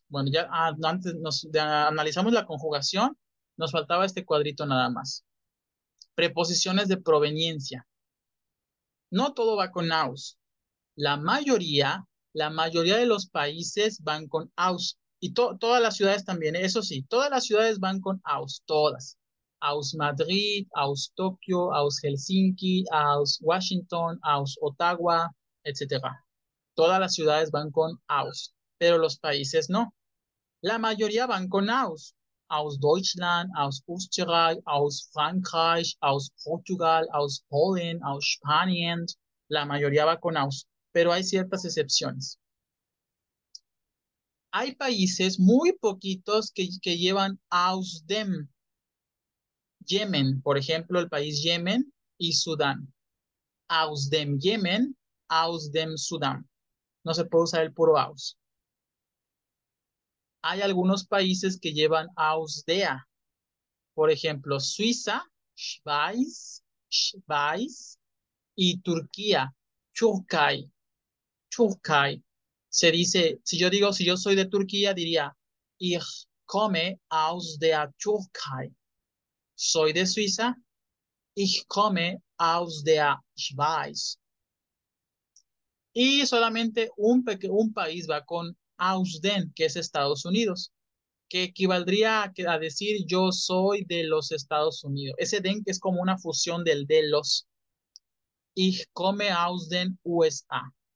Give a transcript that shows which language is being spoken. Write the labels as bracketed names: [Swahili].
[Spanish] Bueno, ya antes analizamos la conjugación, nos faltaba este cuadrito nada más. Preposiciones de proveniencia. No todo va con aus. La mayoría de los países van con aus. Y todas las ciudades también, eso sí, todas las ciudades van con aus, todas. [German] Aus Madrid, aus Tokio, aus Helsinki, aus Washington, aus Ottawa, etc. [Spanish] Todas las ciudades van con aus. Pero los países no. La mayoría van con aus. [German] Aus Deutschland, aus Österreich, aus Frankreich, aus Portugal, aus Polen, aus Spanien. [Spanish] La mayoría va con aus. Pero hay ciertas excepciones. Hay países muy poquitos que llevan aus dem. Yemen, por ejemplo, el país Yemen y Sudán. [German] Aus dem Yemen, aus dem Sudán. [Spanish] No se puede usar el puro aus. Hay algunos países que llevan aus dea. Por ejemplo, Suiza, Schweiz, Schweiz, y Turquía, Türkei, Türkei. Se dice, si yo soy de Turquía, diría, [German] ich komme aus der Türkei. [Spanish] Soy de Suiza, [German] ich komme aus der Schweiz. [Spanish] Y solamente un país va con aus den, que es Estados Unidos, que equivaldría a decir yo soy de los Estados Unidos. Ese den que es como una fusión del de los. [German] Ich komme aus den USA.